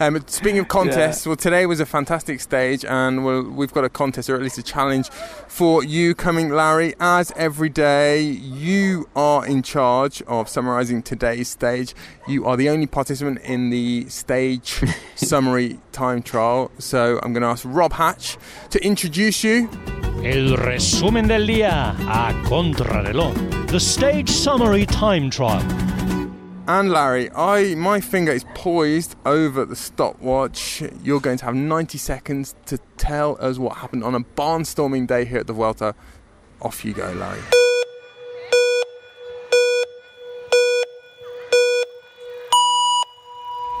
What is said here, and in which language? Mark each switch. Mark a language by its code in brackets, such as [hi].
[en] Speaking of contests, Well, today was a fantastic stage, and we've got a contest, or at least a challenge, for you coming, Larry. As every day, you are in charge of summarising today's stage. You are the only participant in the stage summary time trial. So I'm going to ask Rob Hatch to introduce you. [es] El resumen del día a contrarreloj. [en] The stage summary time trial. And Larry, my finger is poised over the stopwatch. You're going to have 90 seconds to tell us what happened on a barnstorming day here at the Vuelta. Off you go, Larry. Beep.